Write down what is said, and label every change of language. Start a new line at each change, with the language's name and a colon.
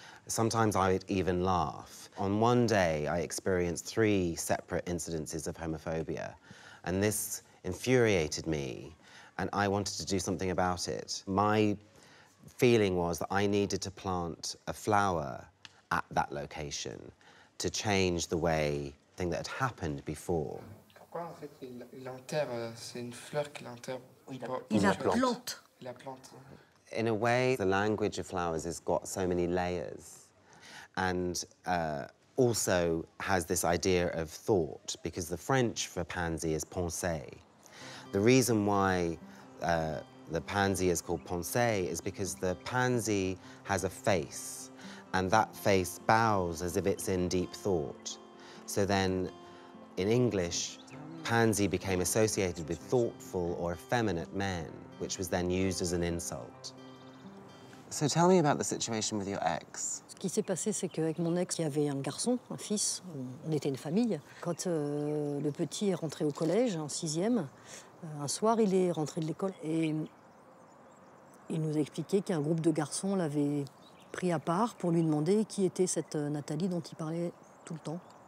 English: Sometimes I would even laugh. On one day, I experienced 3 separate incidences of homophobia. And this infuriated me. And I wanted to do something about it. My feeling was that I needed to plant a flower at that location to change the way thing that had happened before.
French: Pourquoi en fait il enterre, c'est une fleur qu'il enterre. Il la plante. La plante.
English: In a way, the language of flowers has got so many layers, and also has this idea of thought, because the French for pansy is pensée. The reason why the pansy is called pensée is because the pansy has a face, and that face bows as if it's in deep thought. So then, in English, pansy became associated with thoughtful or effeminate men, which was then used as an insult. So tell me about the situation with your ex.
French: Ce qui s'est passé, c'est qu'avec mon ex, il y avait un garçon, un fils, on était une famille. Quand le petit est rentré au collège, en 6e, un soir, il est rentré de l'école et il nous a expliqué qu'un groupe de garçons l'avait pris à part pour lui demander qui était cette Nathalie dont il parlait tout le temps.